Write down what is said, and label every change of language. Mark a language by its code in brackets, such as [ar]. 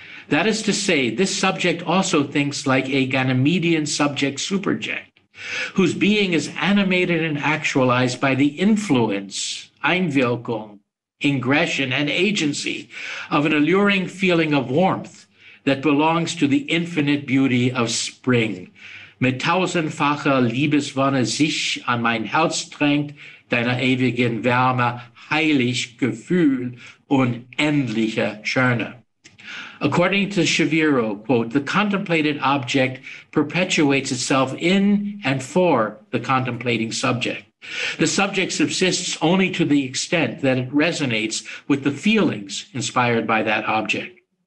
[en] That is to say, this subject also thinks like a Ganymedean subject superject, whose being is animated and actualized by the influence, Einwirkung, ingression, and agency of an alluring feeling of warmth that belongs to the infinite beauty of spring. [de] Mit tausendfacher Liebeswonne sich an mein Herz drängt, deiner ewigen Wärme, heilig Gefühl, unendliche Schöne. [en] According to Shaviro, quote, the contemplated object perpetuates itself in and for the contemplating subject. The subject subsists only to the extent that it resonates with the feelings inspired by that object.